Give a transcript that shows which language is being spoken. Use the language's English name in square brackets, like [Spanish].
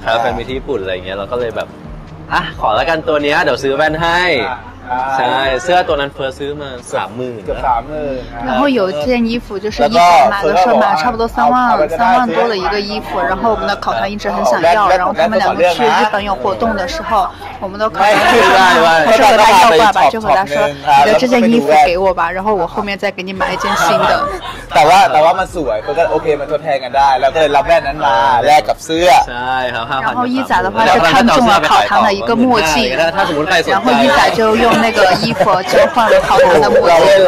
[Thai] ครับแฟมิลี่ญี่ปุ่นอะไรอย่างเงี้ยเราก็เลยแบบอ่ะขอละกันตัวนี้เดี๋ยวซื้อแว่นให้ใช่เสื้อตัวนั้นเฟิร์สซื้อมา30,000 เกือบ30,000 [Chinese] 然后有一件衣服就是一仔买的时候买差不多三万多的一个衣服然后我们的考堂一直很想要然后他们两个去日本有活动的时候我们都考堂就是和他要挂吧就和他说你的这件衣服给我吧然后我后面再给你买一件新的 [Thai] แต่ว่ามันสวยเขาก็โอเคมันทดแทนกันได้แล้วก็เลยรับแว่นนั้นมาแลกกับเสื้อ ใช่ครับ [Chinese] 然后一仔的话是看中了考堂的一个墨镜然后一仔就用那个衣服交换了考堂的墨镜